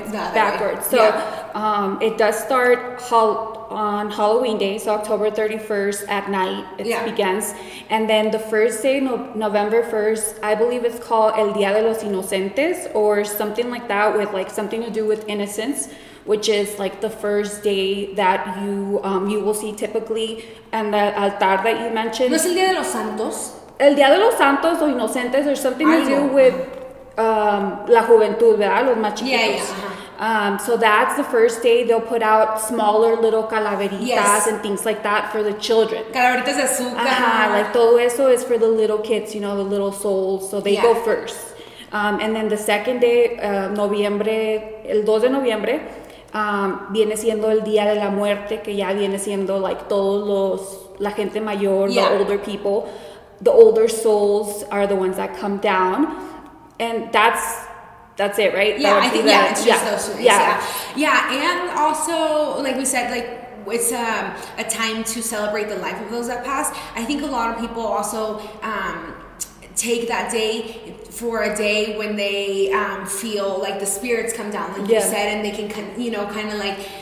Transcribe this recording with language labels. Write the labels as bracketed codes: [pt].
[en] it's the other backwards. Way? So yeah. It does start on Halloween Day, so October 31st at night it begins. And then the first day, November 1st, I believe it's called El Día de los Inocentes or something like that, with like something to do with innocence, which is like the first day that you you will see typically. And the altar that you mentioned. [es] No es el Día de los Santos. El Día de los Santos o Inocentes [en] or something to do with [es] la juventud, ¿verdad? Los más chiquitos. [en] Yeah, yeah. So that's the first day they'll put out smaller little calaveritas and things like that for the children. [es] Calaveritas de azúcar. [en] Like [es] todo eso [en] is for the little kids, you know, the little souls. So they go first. And then the second day, [es] noviembre, el 2 de noviembre, viene siendo el día de la muerte, que ya viene siendo like todos los, la gente mayor, [en] the older people. The older souls are the ones that come down. And that's... That's it, right? Yeah, I think, it's just those three. And also, like we said, like, it's a time to celebrate the life of those that passed. I think a lot of people also take that day for a day when they feel like the spirits come down, like you said, and they can, you know, kind of like...